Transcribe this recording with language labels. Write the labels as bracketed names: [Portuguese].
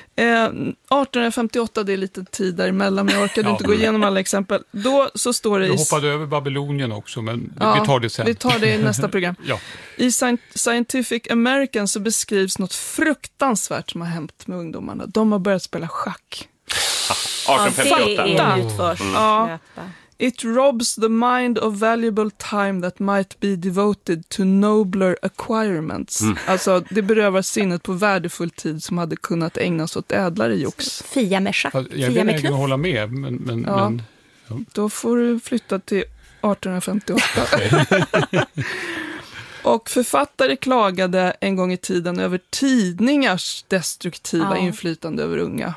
[Swedish] 1858, det är lite tid däremellan, men jag orkade inte gå igenom alla exempel. Då så står det... Du hoppade över Babylonien också, men vi tar det sen. Vi tar det i nästa program. Ja. I Scientific American så beskrivs något fruktansvärt som har hänt med ungdomarna. De har börjat spela schack. 1858. Ja. [English] It robs the mind of valuable time that might be devoted to nobler acquirements. Mm. [Swedish] Alltså, det berövar sinnet på värdefull tid som hade kunnat ägnas åt ädlare jox. Fia med schack. Jag vill inte hålla med, men, ja. Men ja. Då får du flytta till 1858. Och författare klagade en gång i tiden över tidningars destruktiva inflytande över unga.